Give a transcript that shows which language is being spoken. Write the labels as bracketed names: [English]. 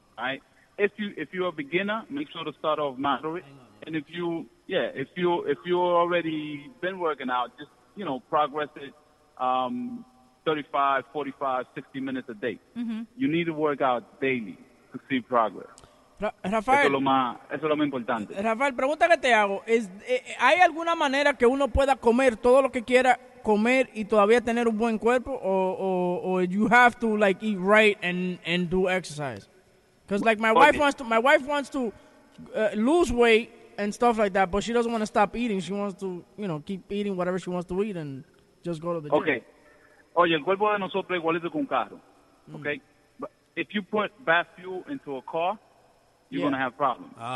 [English] Right? If you're a beginner, make sure to start off moderate. And if you're already been working out, just, you know, progress it 35, 45, 60 minutes a day. Mm-hmm. You need to work out daily to see progress. Rafael, [Spanish] eso es lo más importante. Rafael, pregunta que te hago. ¿Hay alguna manera que uno pueda comer todo lo que quiera comer y todavía tener un buen cuerpo? [English] ¿O you have to, like, eat right and do exercise? Because, like, my wife wants to lose weight and stuff like that, but she doesn't want to stop eating. She wants to, you know, keep eating whatever she wants to eat and just go to the gym. Okay. [Spanish] Oye, el cuerpo de nosotros es igualito que un carro. [English] Okay? But if you put bad fuel into a car, you're going to have problems.